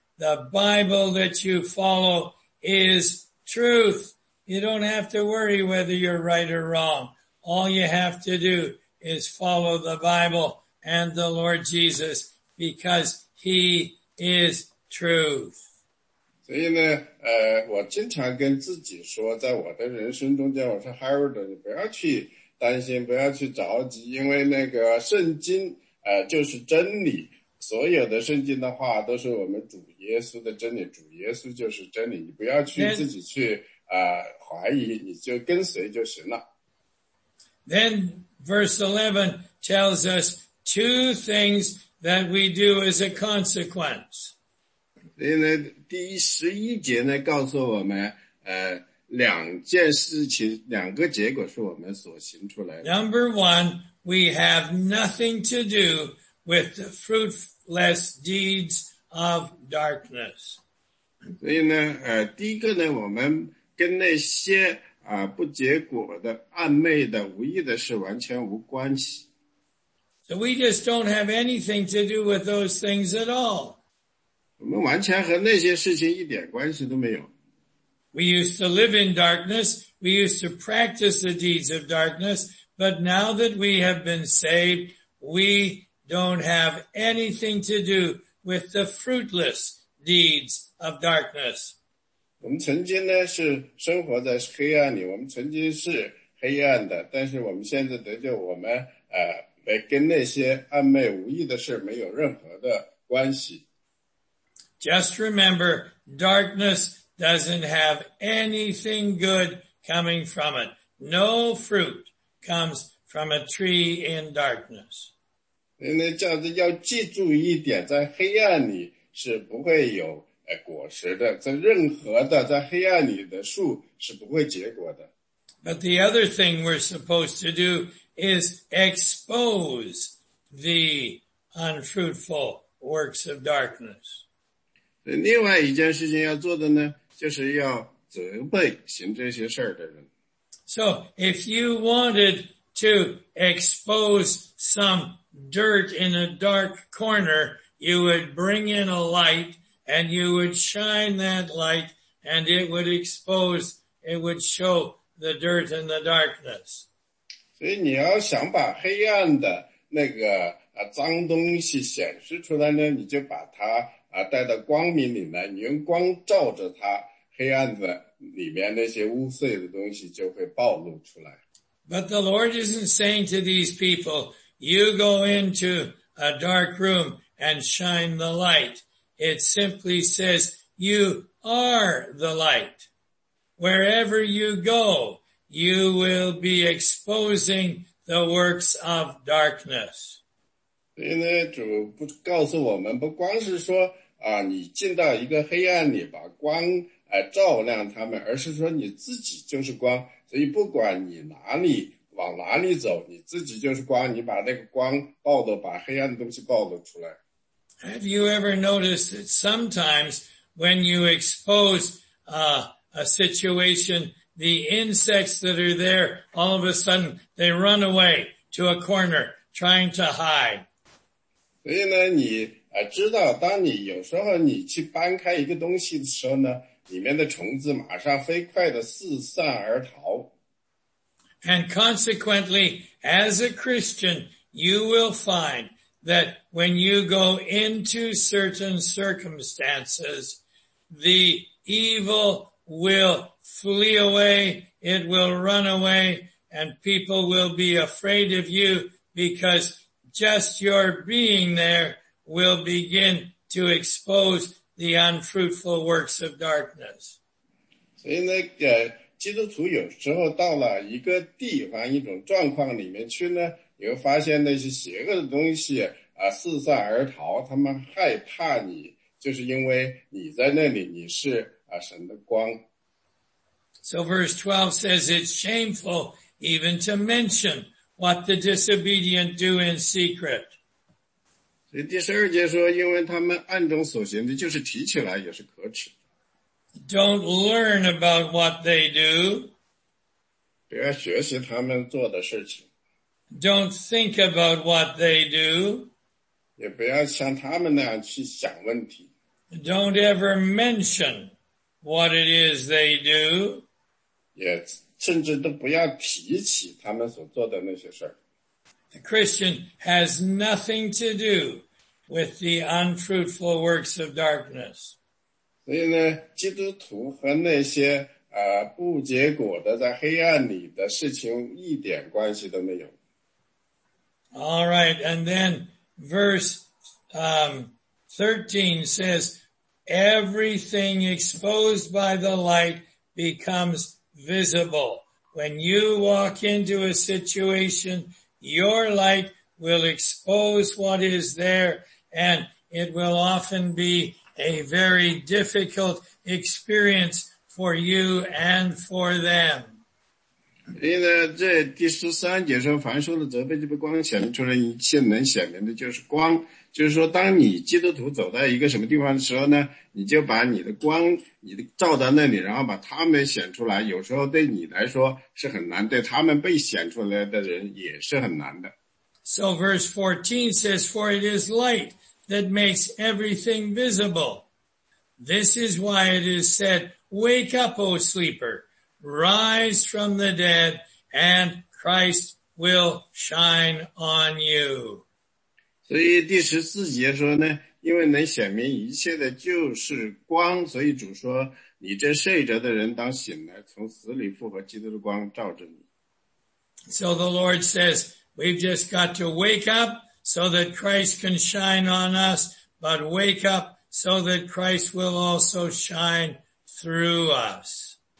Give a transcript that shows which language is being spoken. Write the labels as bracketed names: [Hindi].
[English] The Bible that you follow is truth. You don't have to worry whether you're right or wrong. All you have to do is follow the Bible and the Lord Jesus because he is truth. [Chinese] 所以呢，我经常跟自己说，在我的人生中间，我说 Harold， 你不要去担心，不要去着急，因为那个圣经，就是真理。所有的圣经的话都是我们主耶稣的真理，主耶稣就是真理，你不要去自己去怀疑，你就跟随就行了。 [English] Then verse 11 tells us two things that we do as a consequence. [Chinese] 所以呢，第十一节呢告诉我们，两件事情，两个结果是我们所行出来的。 [English] Number one, we have nothing to do with the fruitless deeds of darkness. [Chinese] 所以呢，第一个呢，我们跟那些不结果的、暧昧的、无意的事完全无关系。 [English] So we just don't have anything to do with those things at all. [Chinese] 我们完全和那些事情一点关系都没有。 [English] We used to live in darkness, we used to practice the deeds of darkness, but now that we have been saved, we don't have anything to do with the fruitless deeds of darkness. [Chinese] 我们曾经呢是生活在黑暗里，我们曾经是黑暗的，但是我们现在得救，我们跟那些暧昧无意的事没有任何的关系。 [English] Just remember, darkness doesn't have anything good coming from it. No fruit comes from a tree in darkness. [Chinese] 所以呢，这样子要记住一点，在黑暗里是不会有果实的，在任何的在黑暗里的树是不会结果的。 [English] But the other thing we're supposed to do is expose the unfruitful works of darkness. [Chinese] 另外一件事情要做的呢，就是要责备行这些事的人。 [English] So, if you wanted to expose some dirt in a dark corner, you would bring in a light and you would shine that light and it would expose, it would show the dirt and the darkness. [Chinese] 所以你要想把黑暗的那个脏东西显示出来呢，你就把它带到光明里来，你用光照着它，黑暗的里面那些污秽的东西就会暴露出来。 [English] But the Lord isn't saying to these people, you go into a dark room and shine the light. It simply says, you are the light. Wherever you go, you will be exposing the works of darkness. [Chinese] 所以呢，主不告诉我们，不光是说啊，你进到一个黑暗里，把光照亮他们，而是说你自己就是光。所以不管你哪里往哪里走，你自己就是光，你把那个光暴露，把黑暗的东西暴露出来。 [English] Have you ever noticed that sometimes when you expose a situation, the insects that are there, all of a sudden, they run away to a corner, trying to hide. [Chinese] 所以呢，你知道，当你有时候你去搬开一个东西的时候呢，里面的虫子马上飞快地四散而逃。 [English] And consequently, as a Christian, you will find that when you go into certain circumstances, the evil will flee away, it will run away, and people will be afraid of you because just your being there will begin to expose the unfruitful works of darkness. [Chinese] 所以那个基督徒有时候到了一个地方一种状况里面去呢，你会发现那些邪恶的东西啊四散而逃，他们害怕你，就是因为你在那里，你是神的光。 [English] So verse 12 says, it's shameful even to mention what the disobedient do in secret. [Chinese] 所以第十二节说，因为他们暗中所行的，就是提起来也是可耻。 [English] Don't learn about what they do. [Chinese] 不要学习他们做的事情。 [English] Don't think about what they do. [Chinese] 也不要像他们那样去想问题。 [English] Don't ever mention what it is they do. [Chinese] 也甚至都不要提起他们所做的那些事。 [English] The Christian has nothing to do with the unfruitful works of darkness. [Chinese] 所以呢，基督徒和那些不结果的在黑暗里的事情一点关系都没有。 [English] All right, and then verse 13 says, everything exposed by the light becomes visible. When you walk into a situation, your light will expose what is there, and it will often be a very difficult experience for you and for them. [Chinese] 因为这第十三节说，凡受了责备就被光显明出来，一切能显明的就是光。就是说，当你基督徒走在一个什么地方的时候呢，你就把你的光，你的照到那里，然后把他们显出来。有时候对你来说是很难，对他们被显出来的人也是很难的。 [English] So verse 14 says, for it is light that makes everything visible. This is why it is said, wake up, O sleeper, rise from the dead, and Christ will shine on you. [Chinese] 所以第十四节说呢，因为能显明一切的就是光，所以主说，你这睡着的人当醒来，从死里复活，基督的光照着你。 [English] So the Lord says, we've just got to wake up so that Christ can shine on us, but wake up so that Christ will also shine through us.